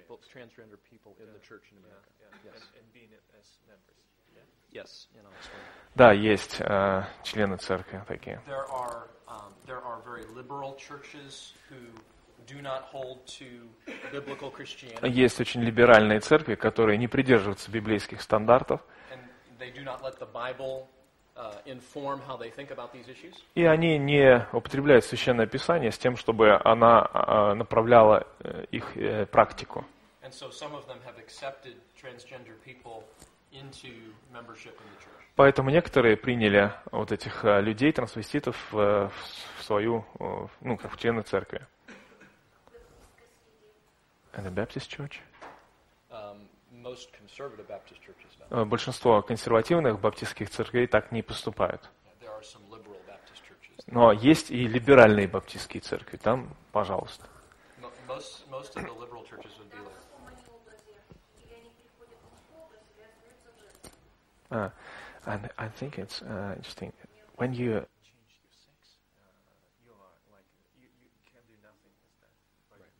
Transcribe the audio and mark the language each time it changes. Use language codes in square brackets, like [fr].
[en] Transgender people in the church in America. Yes. And being it as members. Yes. In Australia. [ru] Да, есть члены церкви такие. [en] There are very liberal churches who do not hold to biblical Christianity. [ru] Есть очень либеральные церкви, которые не придерживаются библейских стандартов. [en] And they do not let the Bible inform how they think about these issues. [ru] И они не употребляют Священное Писание с тем, чтобы она направляла их практику. [en] And so some of them have accepted transgender people into membership in the church. [ru] Поэтому некоторые приняли вот этих людей, трансвеститов, в свою, ну, как в члены церкви. [en] And the Baptist church? Most conservative Baptist churches. [ru] Большинство консервативных баптистских церквей так не поступают. [en] There are some liberal Baptist churches. [ru] Но есть и либеральные баптистские церкви, там, пожалуйста. [en] Most of the liberal churches would be like... And I think it's interesting when you change your sex, you are like you can do nothing with that. But right.